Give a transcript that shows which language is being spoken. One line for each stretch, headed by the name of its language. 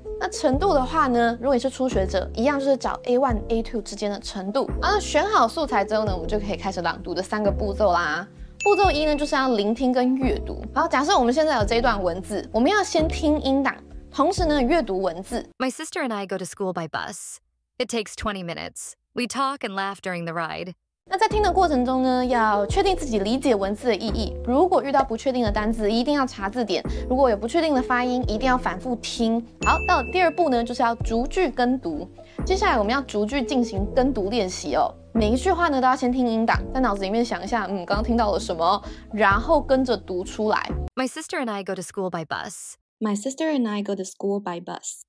Chinese: 那程度的话呢，如果你是初学者，一样就是找 A1 A2 之间的程度。那选好素材之后呢，我们就可以开始朗读的三个步骤啦。步骤一呢，就是要聆听跟阅读。好，假设我们现在有这一段文字，我们要先听音档，同时呢阅读文字。
English: My sister and I go to school by bus. It takes 20 minutes. We talk and laugh during the ride.
Chinese: 那在听的过程中呢，要确定自己理解文字的意义。如果遇到不确定的单字，一定要查字典；如果有不确定的发音，一定要反复听。好，到第二步呢，就是要逐句跟读。接下来我们要逐句进行跟读练习哦。每一句话呢，都要先听音档，在脑子里面想一下，刚刚听到了什么，然后跟着读出来。
English: My sister and I go to school by bus. My sister and I go to school by bus.